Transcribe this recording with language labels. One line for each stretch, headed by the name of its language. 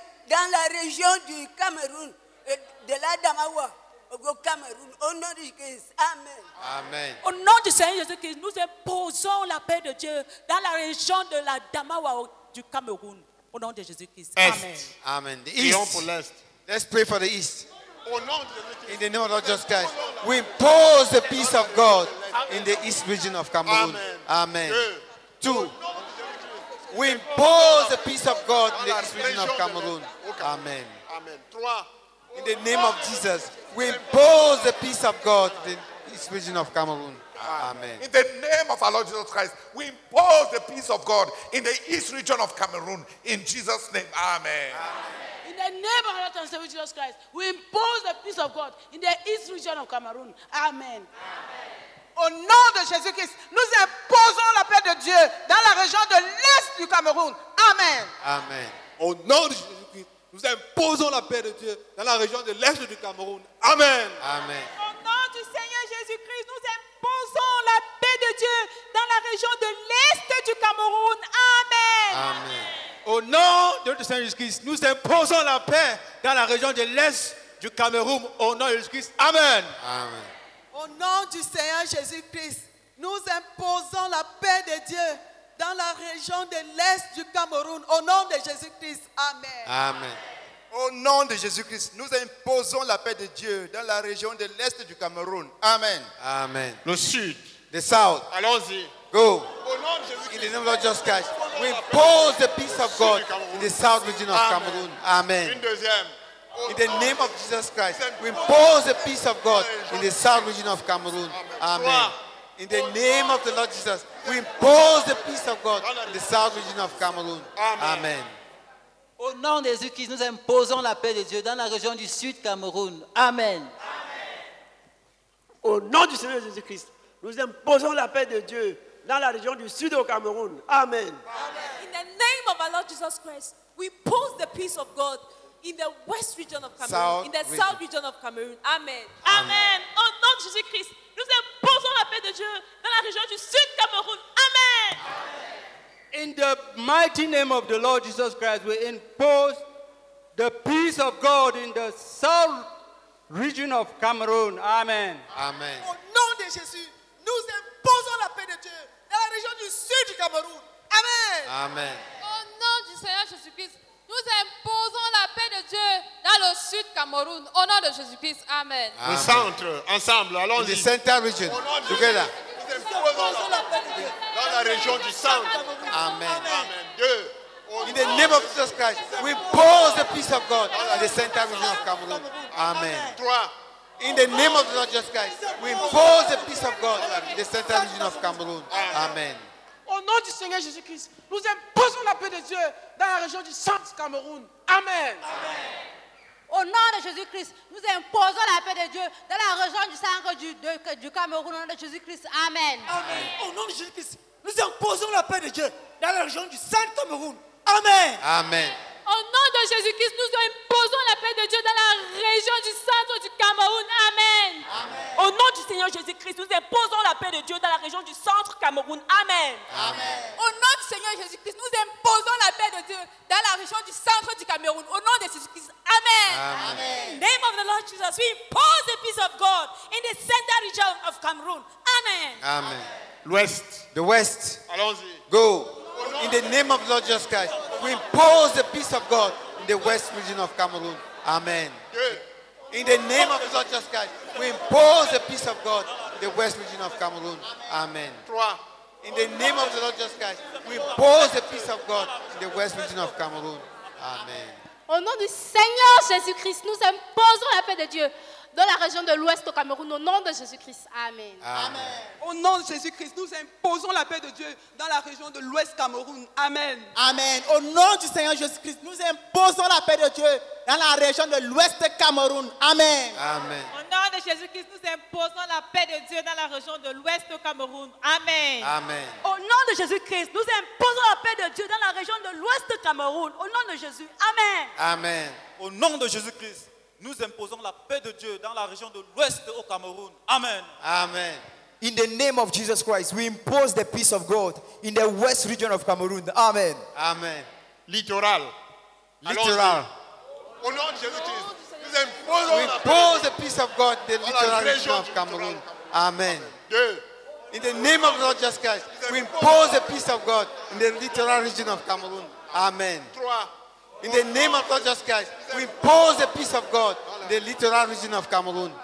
French: Dans la région du Cameroun, de l'Adamawa, au Cameroun, au nom de Jésus, amen. Amen. Au nom du Seigneur Jésus-Christ, nous imposons la paix de Dieu dans la région de l'Adamawa du Cameroun, au nom de Jésus-Christ, est. Amen.
English: Amen. The East.
French: Prions pour l'Est.
English: Let's pray for the East.
French: Au nom de Jésus-Christ.
English: In the name of Lord Jesus Christ, we impose the peace of God in the East region of Cameroon. Amen. Amen. Two. We impose the peace of God in the East region of Cameroon. Amen.
French: Amen. Trois.
English: In the name of Jesus, we impose the peace of God in the East region of Cameroon. Amen. In the name of our Lord Jesus Christ, we impose the peace of God in the East region of Cameroon. In Jesus' name, amen. In the name of our Lord Jesus Christ, we impose the peace of God in the East region of Cameroon. Amen. Amen.
French: Au nom de Jésus-Christ, nous imposons la paix de Dieu dans la région de l'Est du Cameroun. Amen. Amen. Au nom de Jésus-Christ, nous imposons la paix de Dieu dans la région de l'Est du Cameroun. Amen. Amen. Au nom du Seigneur Jésus-Christ, nous imposons la paix de Dieu dans la région de l'Est du Cameroun. Amen. Amen. Au nom de notre Seigneur Jésus-Christ, nous imposons la paix dans la région de l'Est du Cameroun. Au nom de Jésus-Christ, amen. Amen. Au nom du Seigneur Jésus-Christ, nous imposons la paix de Dieu dans la région de l'Est du Cameroun. Au nom de Jésus-Christ, amen. Amen. Au nom de Jésus-Christ, nous imposons la paix de Dieu dans la région de l'Est du Cameroun. Amen. Amen. Le Sud.
English: The South.
French: Allons-y.
English: Go.
French: Au nom de Jésus-Christ.
English: In the name of Jesus Christ, we impose the peace of God in the South region of Cameroun. Amen.
French: Une deuxième.
English: In the name of Jesus Christ, we impose the peace of God in the south region of Cameroon. Amen. In the name of the Lord Jesus, we impose the peace of God in the south region of Cameroon. Amen.
French: Au nom de Jésus-Christ, nous imposons la paix de Dieu dans la région du sud Cameroun. Amen. Au nom du Seigneur Jésus-Christ, nous imposons la paix de Dieu dans la région du sud au Cameroun. Amen.
English: In the name of our Lord Jesus Christ, We pose the peace of God in the west region of Cameroon, south in the region. South region of Cameroon. Amen. Amen.
French: Au nom de Jésus-Christ, nous imposons la paix de Dieu dans la région du sud Cameroun. Amen.
English: In the mighty name of the Lord Jesus Christ, we impose the peace of God in the south region of Cameroon. Amen. Amen.
French: Au nom de Jésus, nous imposons la paix de Dieu dans la région du sud du Cameroun. Amen. Amen. Au nom du Seigneur Jésus-Christ, nous imposons la paix de Dieu dans le sud Cameroun. Au nom de Jésus-Christ. Amen. Le centre, ensemble, allons-y.
English: The center region.
French: Au nom de Jésus-Christ, nous imposons la paix de Dieu dans la région du centre. Amen. Amen. Dieu.
English: In the name of Jesus Christ, we pose the peace of God in the center region of Cameroon. Amen. In the name of the Lord Jesus Christ, we pose the peace of God in the center region of Cameroon. Amen.
French: Au nom du Seigneur Jésus Christ, nous imposons la paix de Dieu dans la région du centre Cameroun. Amen. Au nom de Jésus Christ, nous imposons la paix de Dieu dans la région du centre du Cameroun. Au nom de Jésus Christ. Amen. Amen. Au nom de Jésus Christ, nous imposons la paix de Dieu dans la région du centre Cameroun. Amen. Amen. Au nom de Jésus-Christ, nous imposons la paix de Dieu dans la région du centre du Cameroun. Amen. Amen. Au nom du Seigneur Jésus-Christ, nous imposons la paix de Dieu dans la région du centre Cameroun. Amen. Amen. Au nom du Seigneur Jésus-Christ, nous imposons la paix de Dieu dans la région du centre du Cameroun. Au nom de Jésus-Christ. Amen. Amen.
English: In the name of the Lord Jesus, we impose the peace of God in the central region of Cameroun. Amen. Amen. Amen.
French: L'ouest.
English: The west.
French: Allons-y.
English: Go. In the name of Lord Jesus Christ, we impose the peace of God in the west region of Cameroon. Amen. In the name of Lord Jesus Christ, we impose the peace of God in the west region of Cameroon. Amen. In the name of the Lord Jesus Christ, we impose the peace of God in the west region of Cameroon. Amen.
French: Au nom du Seigneur Jésus Christ, nous imposons la paix de Dieu dans la région de l'ouest au Cameroun, au nom de Jésus-Christ. Amen. Amen. Au nom de Jésus-Christ, nous imposons la paix de Dieu dans la région de l'ouest Cameroun. Amen. Amen. Au nom du Seigneur Jésus-Christ, nous imposons la paix de Dieu dans la région de l'ouest Cameroun. Amen. Amen. Au nom de Jésus-Christ, nous imposons la paix de Dieu dans la région de l'ouest Cameroun. Amen. Amen. Au nom de Jésus-Christ, nous imposons la paix de Dieu dans la région de l'ouest Cameroun. Au nom de Jésus. Amen. Amen. Au nom de Jésus-Christ, nous imposons la paix de Dieu dans la région de l'ouest au Cameroun. Amen. Amen.
English: In the name of Jesus Christ, we impose the peace of God in the west region of Cameroon. Amen. Amen. Littoral. Littoral.
French: Au nom de Jésus-Christ, nous imposons la paix
English: the peace of God in the littoral region of Cameroon. Amen. In the name of Lord Jesus Christ, we impose the peace of God in the littoral region of Cameroon. Amen. In the name of Lord Jesus Christ, we impose the peace of God in the littoral region of Cameroon.